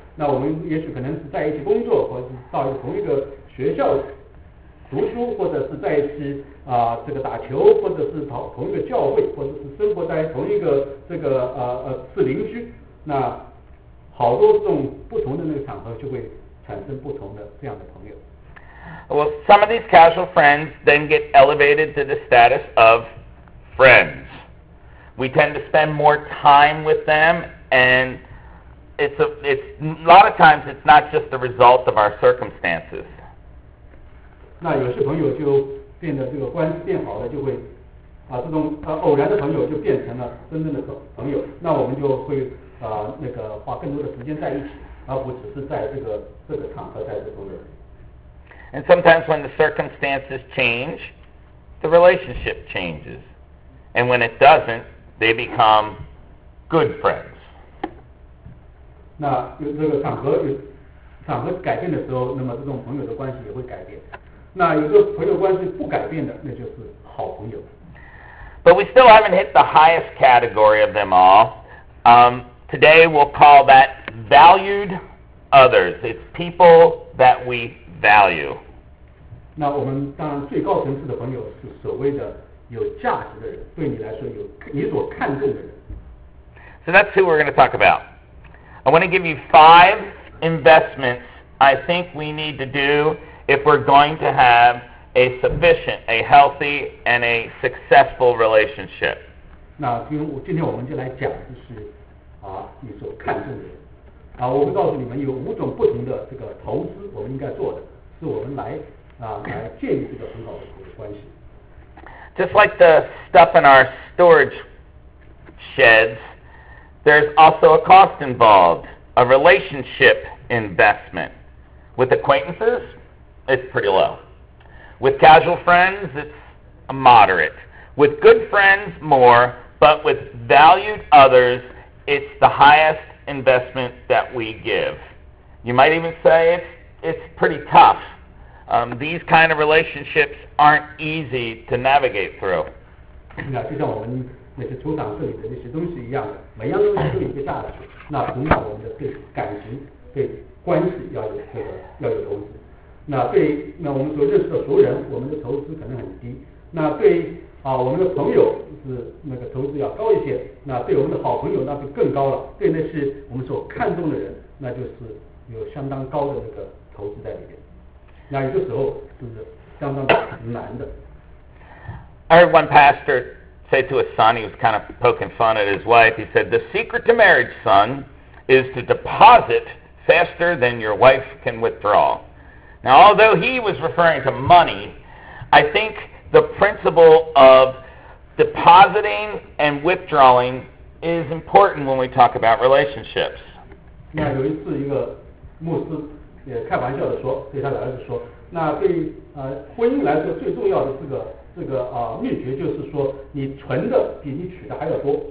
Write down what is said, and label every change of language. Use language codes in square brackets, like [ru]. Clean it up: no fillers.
[zh] 那我们也许可能是在一起工作，或者到同一个学校读书，或者是在一起这个打球，或者是到同一个教会，或者是生活在同一个这个是邻居。那好多这种不同的那个场合，就会产生不同的这样的朋友。 [en] Well, some of these casual friends then get elevated to the status of friends. We tend to spend more time with them, and it's a lot of times it's not just the result of our circumstances. [zh] 那有些朋友就变得这个关系变好了，就会这种偶然的朋友就变成了真正的朋友。那我们就会那个花更多的时间在一起，而不只是在这个场合在这中的。 [en] And sometimes when the circumstances change, the relationship changes. And when it doesn't, they become good friends. [zh] 那这个场合改变的时候，那么这种朋友的关系也会改变。那有个朋友关系不改变的，那就是好朋友。 [en] But we still haven't hit the highest category of them all. Today we'll call that valued others. It's people that we value. [zh] 那我们当然最高层次的朋友是所谓的有价值的人，对你来说有你所看重的人。 [en] So that's who we're going to talk about. I want to give you five investments I think we need to do if we're going to have a sufficient, a healthy, and a successful relationship. [zh] 那今天我们就来讲就是你所看重的人。我会告诉你们有五种不同的这个投资我们应该做的，是我们来建立这个很好的关系。 [en] Just like the stuff in our storage sheds, there's also a cost involved, a relationship investment. With acquaintances, it's pretty low. With casual friends, it's moderate. With good friends, more. But with valued others, it's the highest investment that we give. You might even say it's pretty tough. These kind of relationships aren't easy to navigate through. [zh] 那就像我们那些储藏室里的那些东西一样，每样东西都有一个价值。那同样，我们的对感情、对关系要有投资。那我们所认识的熟人，我们的投资可能很低。那对我们的朋友是那个投资要高一些。那对我们的好朋友那就更高了。对那些我们所看重的人，那就是有相当高的那个投资在里面。那有的时候就是相当难的。 [en] I heard one pastor say to his son, he was kind of poking fun at his wife. He said, "The secret to marriage, son, is to deposit faster than your wife can withdraw." Now, although he was referring to money, I think the principle of depositing and withdrawing is important when we talk about relationships. [zh] 那有一次，一个牧师也开玩笑的说，对他的儿子说，那对婚姻来说最重要的这个秘诀就是说，你存的比你取的还要多。